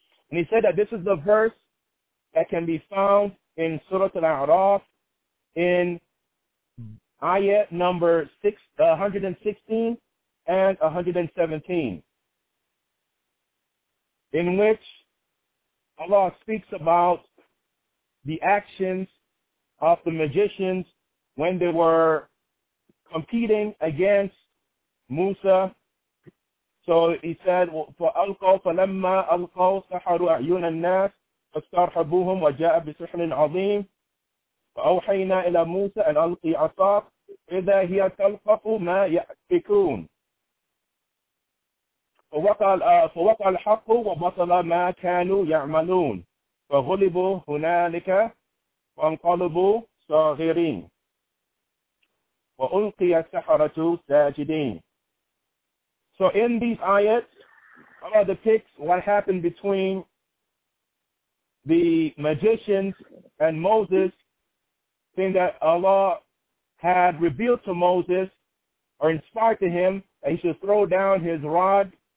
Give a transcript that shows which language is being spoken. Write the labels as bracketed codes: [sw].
[en] And he said that this is the verse that can be found in Surah Al-A'raf in ayat number 116 and 117, in which Allah speaks about the actions of the magicians when they were competing against Musa. So he said, [ar] فَأَلْقَوْ فَلَمَّا أَلْقَوْ سَحَرُوا أَعْيُنَ النَّاسِ فَاسْتَرْحَبُوهُمْ وَجَاءَ بِسِحْرٍ عَظِيمٍ فَأَوْحَيْنَا إِلَى مُوسَى أَنْ أَلْقِي عَصَاكَ إِذَا هِيَ تَلْقَفُ مَا يَأْفِكُونَ فوقع الحق وبطل ما كانوا يعملون فغلبوا هنالك وانقلبوا صاغرين وألقي السحرة ساجدين. [en] So in these ayats, Allah depicts what happened between the magicians and Moses, saying that Allah had revealed to Moses or inspired to him that he should throw down his rod,